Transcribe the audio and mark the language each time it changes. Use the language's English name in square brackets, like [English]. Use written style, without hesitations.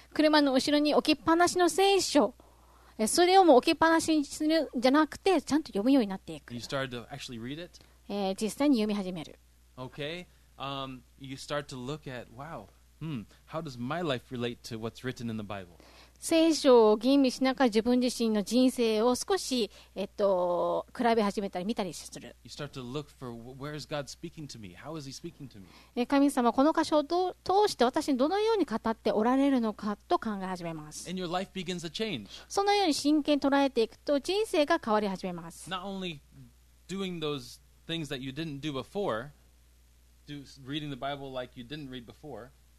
[Japanese] 車の後ろに置きっぱなしの聖書、それをもう置きっぱなしにするんじゃなくて、ちゃんと読むようになっていく。 [English] You started to actually read it? [Japanese] 実際に読み始める。 [English] Okay. You start to look at, wow, how does my life relate to what's written in the Bible? [Japanese] 聖書を吟味しながら自分自身の人生を少し、比べ始めたり見たりする。 [English] You start to look for where is God speaking to me? How is he speaking to me? [Japanese] 神様、この箇所を通して私にどのように語っておられるのかと考え始めます。 [English] And your life begins to change. [Japanese] そのように真剣に捉えていくと人生が変わり始めます。 [English] Not only doing those things that you didn't do before, reading the Bible like you didn't read before,